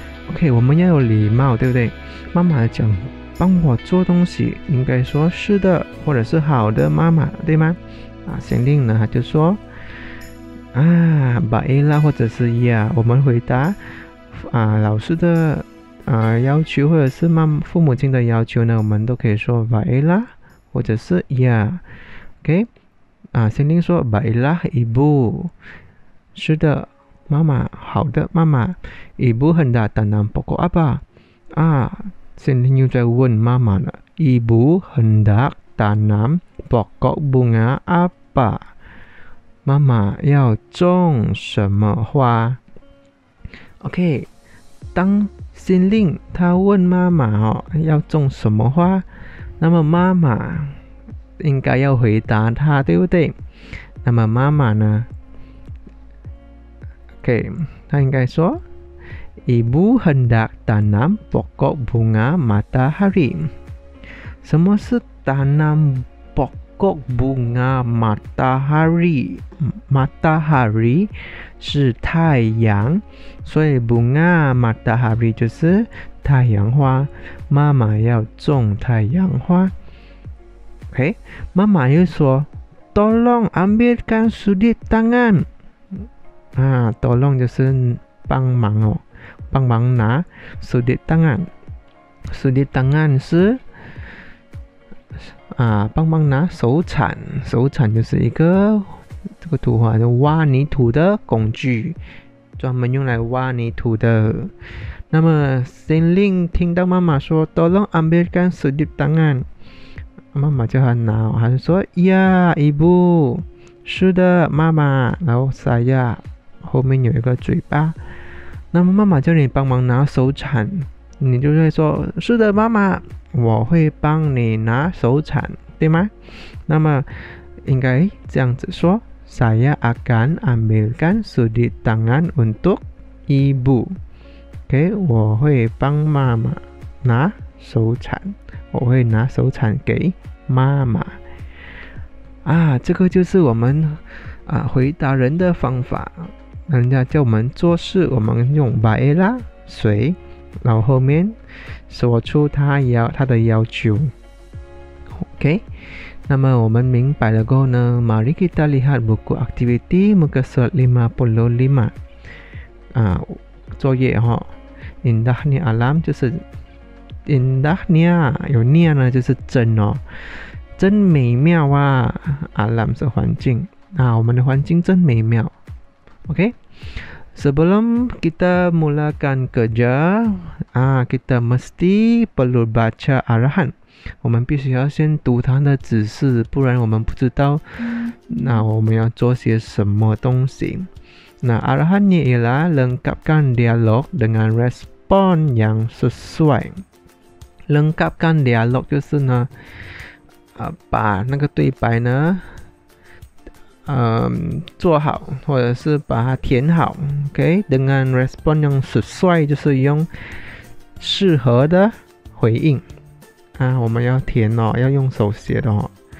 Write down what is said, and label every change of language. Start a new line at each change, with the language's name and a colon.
Chinese: OK, 我们要有礼貌, 对不对?妈妈讲, 帮我做东西, 应该说是的, 或者是好的妈妈, 对吗? Xinling呢, 她就说, 把A啦, 或者是E啊, 我们回答, 老师的要求或者是父母亲的要求呢, 我们都可以说 baiklah 或者是 ya.
Malay: OK, Xinling 说 baiklah ibu,
Chinese: 是的, 妈妈, 好的, 妈妈,
Malay: ibu hendak tanam pokok apa? Xinling
Chinese: 又在问妈妈了,
Malay: ibu hendak tanam pokok bunga apa?
Chinese: 妈妈要种什么花? OK, 当Xinling他问妈妈要种什么花, 那么妈妈应该要回答他，对不对？那么妈妈呢, OK, 她应该说,
Malay: Ibu hendak tanam pokok bunga matahari.
Chinese: 什么是
Malay: tanam pokok bunga matahari?
Chinese: Matahari 是太阳, 所以
Malay: bunga matahari
Chinese: 就是太阳花, 妈妈要种太阳花.
Malay: OK,
Chinese: 妈妈又说,
Malay: tolong ambilkan sudut tangan.
Chinese: Tolong 就是帮忙, 帮忙拿
Malay: sudut tangan.
Chinese: Sudut tangan 是 帮忙拿手铲, 手铲就是一个 这个图画就挖泥土的工具, 专门用来挖泥土的. 那么Xinling听到妈妈说
Malay: tolong ambilkan sudut tangan,
Chinese: 妈妈就很恼, 她就说
Malay: ya ibu,
Chinese: 是的妈妈, 然后saya 后面有一个嘴巴, 那么妈妈叫你帮忙拿手铲, 你就会说 是的妈妈, 我会帮你拿手铲, 对吗? 那么应该这样子说,
Malay: saya akan ambilkan sudut tangan untuk ibu.
Chinese: Okay, 我会帮妈妈拿手铲，我会拿手铲给妈妈。啊，这个就是我们啊回答人的方法。人家叫我们做事，我们用 baela 水，然后后面说出他的要求。
Malay: OK，
Chinese: 那么我们明白了过后呢
Malay: ，mari kita lihat buku aktiviti muka surat 55。
Chinese: 啊，作业哈、哦、，
Malay: indahnya alam
Chinese: 就是 indahnya 有 nya 呢，就是真哦，真美妙啊 ，alam 是环境啊，我们的环境真美妙。 OK，
Malay: sebelum kita mulakan kerja， 啊 ，kita mesti perlu baca arahan，
Chinese: 我们必须要先读它的指示，不然我们不知道那我们要做些什么东西。
Malay: Nah, arahannya ialah lengkapkan dialog dengan respon yang sesuai. Lengkapkan dialog
Chinese: 就是呢，把那个对白呢，做好或者是把它填好 ，OK?
Malay: Dengan respon yang sesuai
Chinese: 就是用适合的回应啊，我们要填哦，要用手写的哦。